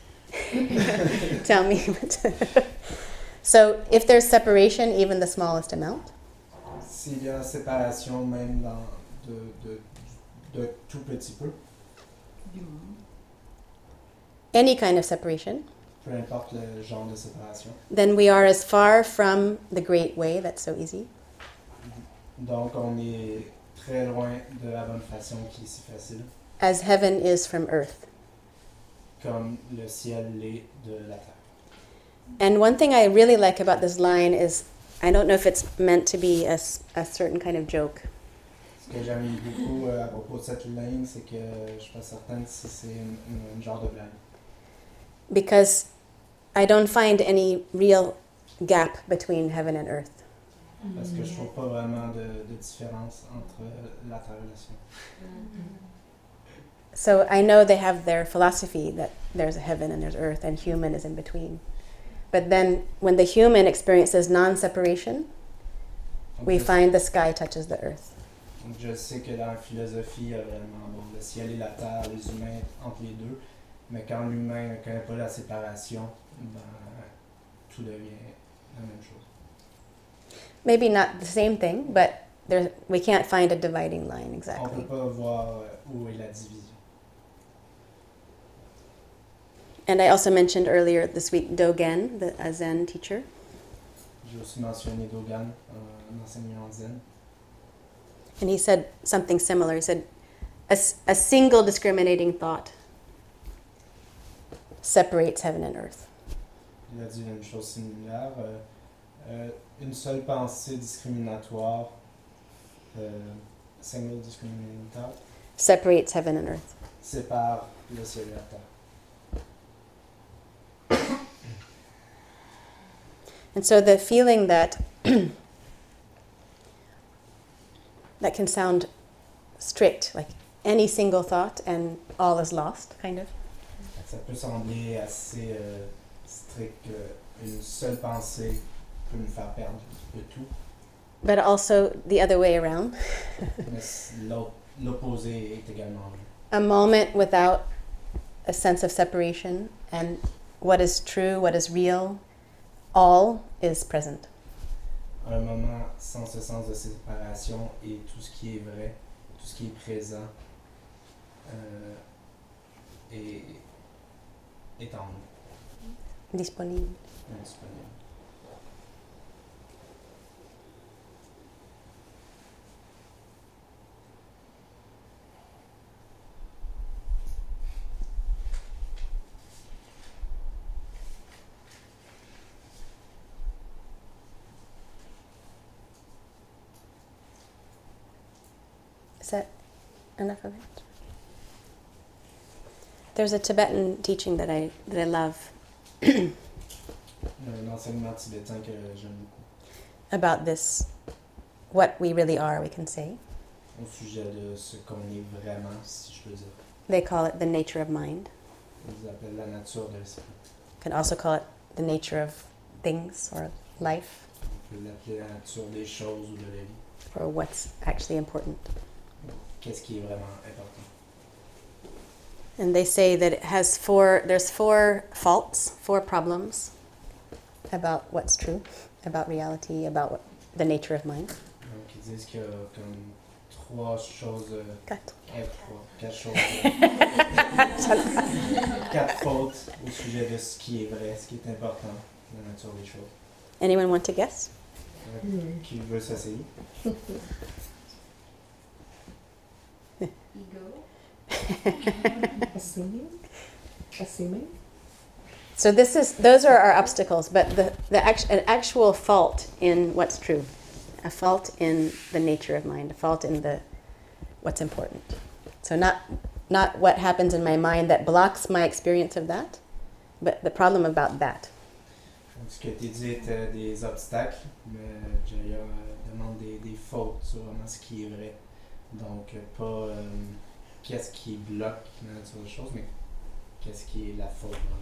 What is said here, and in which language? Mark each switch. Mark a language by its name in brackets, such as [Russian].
[English] tell me. So if there's separation, even the smallest amount? [French] S'il y a séparation même dans de tout petit peu. [English] Any kind of separation. [French] Peu importe le genre de séparation. [English] Then we are as far from the great way, that's so easy. [French] Donc on est très loin de la bonne façon qui est si facile. [English] As heaven is from earth. [French] Comme le ciel l'est de la terre. [English] And one thing I really like about this line is, I don't know if it's meant to be a certain kind of joke. [French] Ce que j'aime beaucoup à propos de cette ligne, c'est que je suis pas certain si c'est un genre de blague. [English] Because I don't find any real gap between heaven and earth. [French] Parce que je trouve pas vraiment de différence entre la terre et le ciel. [English] So I know they have their philosophy that there's a heaven and there's earth and human is in between. But then when the human experiences non-separation, we find the sky touches the earth. [French] Donc je sais que dans la philosophie, il y a vraiment bon, le ciel et la terre, les humains entre les deux. Mais quand l'humain ne connaît pas la séparation, ben, tout devient la même chose. [English] Maybe not the same thing, but we can't find a dividing line exactly. [French] On ne peut pas voir où est la division. [English] And I also mentioned earlier this week Dogen, a Zen teacher. [French] J'ai aussi mentionné Dogen, un enseignant Zen. [English] And he said something similar. He said, a single discriminating thought separates heaven and earth. [French] Il a dit une chose similaire. Une seule pensée discriminatoire, [English] single discriminating thought, separates heaven and earth. [French] Sépare le ciel et la terre. [English] And so the feeling that that can sound strict, like any single thought and all is lost, kind of. [French] Ça peut sembler assez strict que une seule pensée peut nous faire perdre de tout. [English] But also the other way around. [French] Mais l'opposé est également. [English] A moment without a sense of separation and what is true, what is real, all is present. [French] Un moment sans ce sens de séparation et tout ce qui est vrai, tout ce qui est présent, est en nous. Disponible. Disponible. [English] Enough of it. There's a Tibetan teaching that I love. [French] L'enseignement tibétain que j'aime beaucoup. [English] About this, what we really are, we can say. [French] Au sujet de ce qu'on est vraiment, si je peux dire. [English] They call it the nature of mind. [French] Ils appellent la nature de l'esprit. [English] Can also call it the nature of things or life. [French] On peut l'appeler la nature des choses ou de la vie. [English] Or what's actually important. [French] Qu'est-ce qui est vraiment important? [English] And they say that it has four faults, four problems about what's true, about reality, about what, the nature of mind. [French] Donc ils disent qu'il y a comme trois choses. Quatre choses. Quatre fautes au sujet de ce qui est vrai, ce qui est important, la nature des choses. [English] Anyone want to guess? [French] Qui veut s'asseoir? [English] Ego. Assuming. So those are our obstacles, but an actual fault in what's true. A fault in the nature of mind, a fault in the what's important. So not not what happens in my mind that blocks my experience of that, but the problem about that. [French] Ce que tu dis est des obstacles, mais Jaya demande des fautes sur vraiment ce qui est vrai. Donc, pas qu'est-ce qui bloque la nature des choses, mais qu'est-ce qui est la faute.